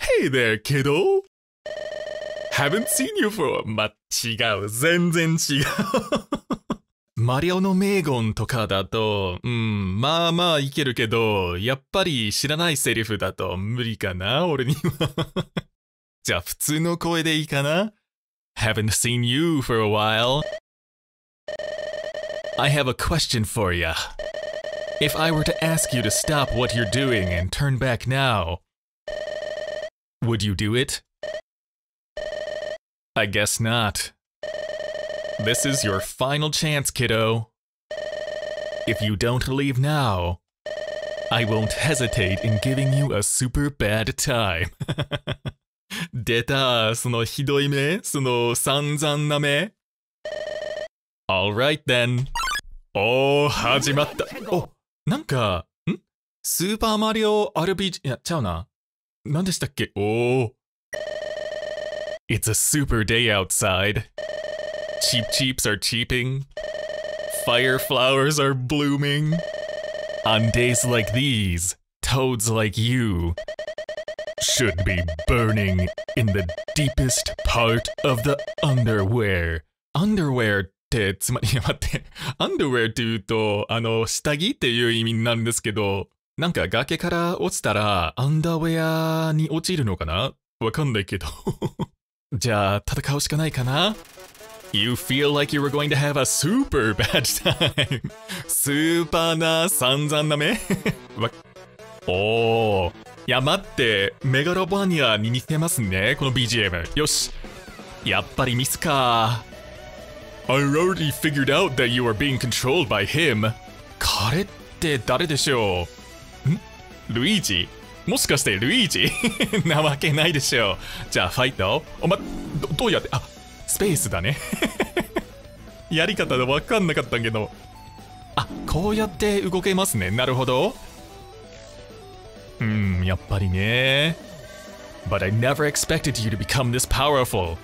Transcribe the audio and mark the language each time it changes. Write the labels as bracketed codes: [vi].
[en] Hey there, kiddo! Haven't seen you for... [ja] ま、違う、全然違う。マリオの名言とかだと、まあまあいけるけど、やっぱり知らないセリフだと無理かな、俺には。じゃあ普通の声でいいかな [en] ?Haven't seen you for a while.I have a question for ya.If I were to ask you to stop what you're doing and turn back now, would you do it?I guess not. This is your final chance, kiddo. If you don't leave now, I won't hesitate in giving you a super bad time. [ja] 出た、そのひどい目、その散々な目。 [en] All right then. [ja] おー、始まった。お、なんか、ん？スーパーマリオ RPG、いや、ちゃうな。なんでしたっけ？おー。 [en] It's a super day outside. Cheep cheeps are cheeping. Fire flowers are blooming. On days like these, toads like you should be burning in the deepest part of the underwear. [ja] Underwear って、つまり、待って、underwear って言うと、あの、下着っていう意味なんですけど、なんか崖から落ちたら、アンダーウェアに落ちるのかな？わかんないけど。じゃあ、戦うしかないかな？ [en] You feel like you were going to have a super bad time. [ja] スーパーな散々な目おー。いや待って、メガロバニアに似てますね、この BGM。よし。やっぱりミスか。 [en] I already figured out that you are being controlled by him. [ja] 彼って誰でしょう？ん？ルイージ？もしかしてルイージ？なわけないでしょう。じゃあファイト。おま、どうやって、あ、スペースだね。やり方で分かんなかったけど、あ、こうやって動けますね。なるほど。やっぱりね。 [en] But I never expected you to become this powerful.